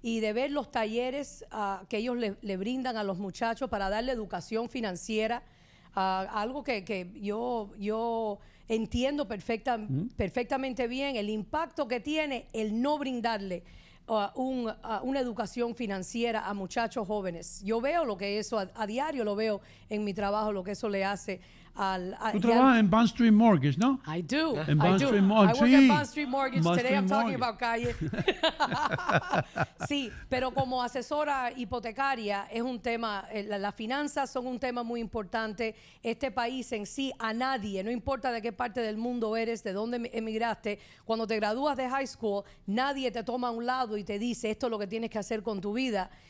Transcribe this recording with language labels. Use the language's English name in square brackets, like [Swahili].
[Spanish] Y de ver los talleres que ellos le brindan a los muchachos para darle educación financiera, algo que yo entiendo perfectamente bien el impacto que tiene el no brindarle una educación financiera a muchachos jóvenes. Yo veo lo que eso a diario, lo veo en mi trabajo, lo que eso le hace al tú trabajas en Bond Street Mortgage, ¿no? [English] I do. [Spanish] En Bond Street Mortgage. [English] I work at Bond Street Mortgage. Bond Street Today I'm talking Mortgage. About Calle. [Spanish] Sí, pero como asesora hipotecaria es un tema, las finanzas son un tema muy importante. Este país en sí, a nadie, no importa de qué parte del mundo eres, de dónde emigraste, cuando te gradúas de high school, nadie te toma a un lado y te dice esto es lo que tienes que hacer con tu vida.